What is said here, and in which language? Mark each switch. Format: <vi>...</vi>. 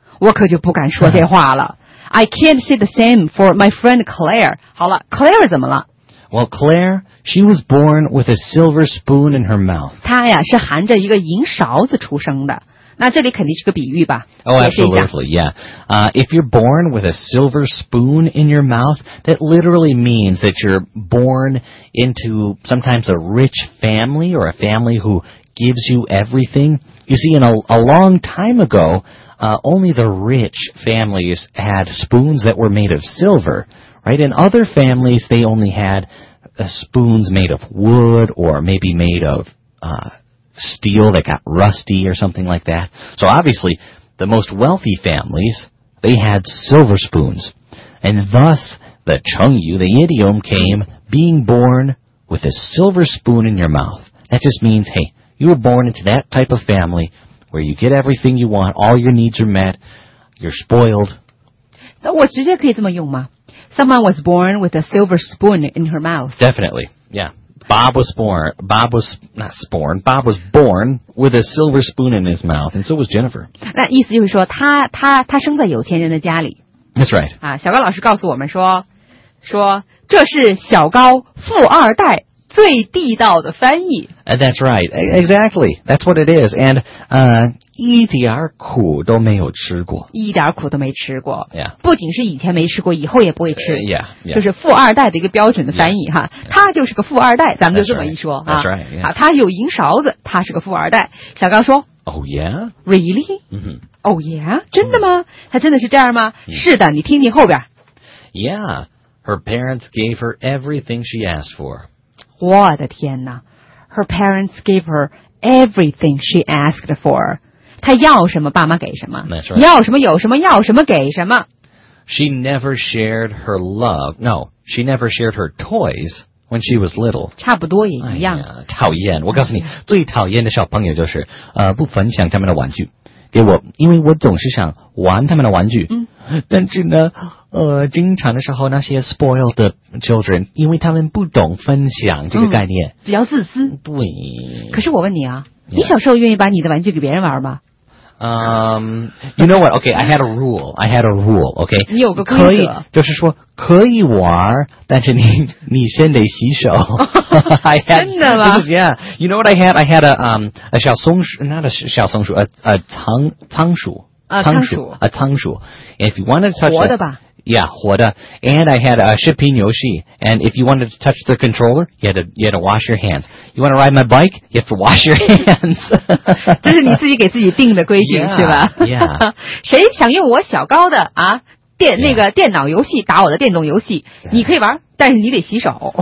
<zh>我可就不敢说这话了。</zh> <en>I can't say the same for my friend Claire.</en> <zh>好了 ，Claire 怎么了</zh> <en>？Well, Claire, she was born with a silver spoon in her mouth.</en> <zh>她呀是含着一个银勺子出生的。那这里肯定是个比喻吧。</zh> <en>Oh, absolutely, yeah. If you're born with a silver spoon in your mouth, that literally means that you're born into sometimes a rich family or a family who gives you everything. You see, in a long time ago, only the rich families had spoons that were made of silver, right? In other families, they only had spoons made of wood or maybe made of, steel that got rusty or something like that. So obviously, the most wealthy families, they had silver spoons. And thus, the Chengyu, the idiom came, being born with a silver spoon in your mouth. That just means, hey, you were born into that type of family where you get everything you want, all your needs are met, you're spoiled.</en> <zh>那我直接可以这么用吗?</zh> <en>Someone was born with a silver spoon in her mouth. Definitely, yeah. Bob was born with a silver spoon in his mouth, and so was Jennifer.</en> <zh>那意思就是说，他生在有钱人的家里。</zh> <en>That's right.</en> <zh>啊，小高老师告诉我们说这是小高富二代最地道的翻译。</zh> <en>That's right. Exactly. That's what it is. And,</en> <zh>一点苦都没有吃过。一点苦都没吃过。</zh> <en>Yeah.</en> <zh>不仅是以前没吃过，以后也不会吃。</zh> <en>Yeah.</en> <zh>就是富二代的一个标准的翻译、</zh> <en>yeah. 哈。</en> <zh>他就是个富二代，咱们就这么一说、</zh> <en>That's right. 啊。 That's right.</en> <zh>好、啊，他有银勺子，他是个富二代。小高说</zh> <en>，Oh yeah? Really? Mm-hmm. Oh yeah?</en> <zh>真的吗？他真的是这样吗？Mm-hmm. 是的，你听听后边。</zh> <en>Yeah. Her parents gave her everything she asked for.</en> <zh>我的天哪 ！</zh> <en>Her parents gave her everything she asked for.</en> <zh>她要什么，爸妈给什么。</zh> <en>That's right.</en> <zh>要什么有什么，要什么给什么。</zh> <en>She never shared her love. No, she never shared her toys when she was little.</en> <zh>差不多也一样。哎、讨厌！我告诉你，最讨厌的小朋友就是不分享他们的玩具给我，因为我总是想玩他们的玩具。嗯。但是呢。经常的时候那些 spoiled 的 children 因为他们不懂分享这个概念、嗯、比较自私对可是我问你啊、yeah. 你小时候愿意把你的玩具给别人玩吗</zh> <en>You know what? Okay, I had a rule, okay</en> <zh>你有个规则就是说可以玩但是你先得洗手真的吗</zh> <en>Yeah, you know what I had? I had a 小松鼠 not a 小松鼠 a 仓鼠</en> <zh>啊、仓鼠</zh> <en>a 仓鼠 and if you wanted to touch</en> <zh>活的吧</zh> <en>Yeah, 活的 And I had a 视频游戏 And if you wanted to touch the controller, you had to wash your hands. You want to ride my bike? You have to wash your hands.</en> <zh>这是你自己给自己定的规矩</zh> <en>yeah,</en> <zh>是吧</zh> <en>Yeah.</en> <zh>谁想用我小高的啊电、yeah. 那个电脑游戏打我的电动游戏、yeah. 你可以玩但是你得洗手。</zh>